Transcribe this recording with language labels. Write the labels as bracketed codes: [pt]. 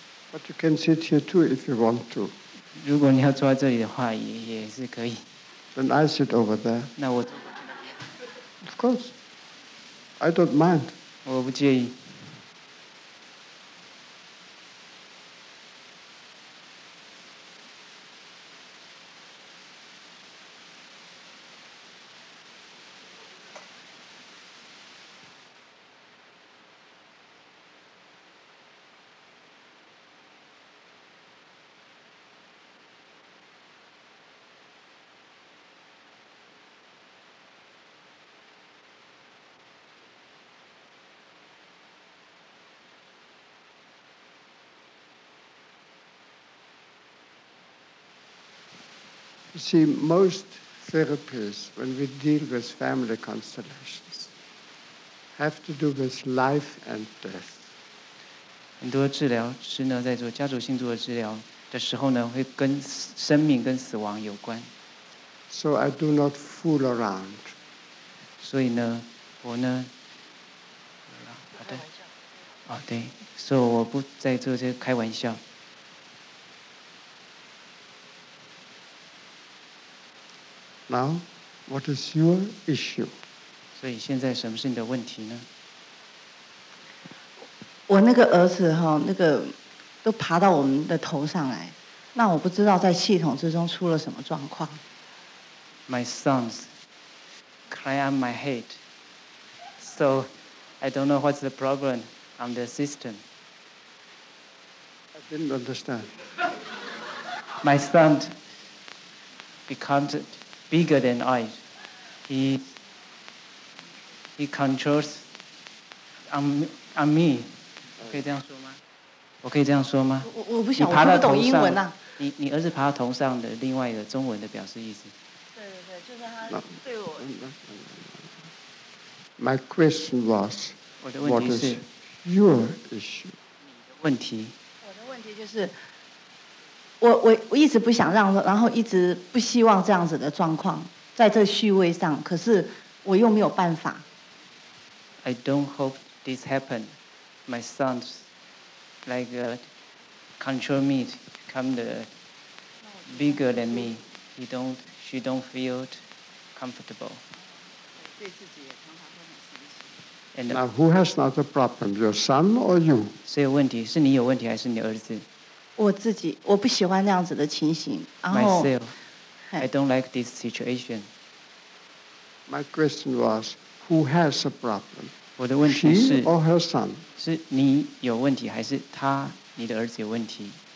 [en] But you can sit here too if you want to. [zh] 如果你要坐在这里的话，也是可以。 [en] Then I sit over there. [zh] 那我。 [en] Of course. I don't mind. [zh] 我不介意。 [en] You see, most therapists, when we deal with family constellations, have to do with life and death. [zh] 很多治疗师呢，在做家族星座治疗的时候呢，会跟生命跟死亡有关。 [en] So I do not fool around. [zh] 所以呢，我呢，好的，啊对，所以我不再做这开玩笑。 [en] Now, what is your issue? [zh] 所以现在什么是你的问题呢？我那个儿子哈，那个都爬到我们的头上来，那我不知道在系统之中出了什么状况。 [en] My sons climb on my head, so I don't know what's the problem on the system. I didn't understand. My son becomes. Bigger than I. He controls on me. [zh] 我可以这样说吗？我可以这样说吗？我不想，我听不懂英文啊。你儿子爬到头上的另外一个中文的表示意思。对对对，就是他对我。 [en] My question was, [zh] 我的问题是 [en] what is your issue? [zh] 你的问题。我的问题就是我一直不想让，然后一直不希望这样子的状况在这序位上，可是我又没有办法。 [en] I don't hope this happened. My sons like control me, become the bigger than me. He don't, she don't feel comfortable. [zh] 对自己也常常会很生气。 [en] Now who has not a problem, your son or you? [zh] 所以问题是你有问题还是你儿子？我自己我不喜欢那样子的情形，然后 [en] Myself, I don't like this situation. My question was, who has a problem? [zh] 我的问题是 [en] she or her son? [zh] 是你有问题还是他你的儿子有问题？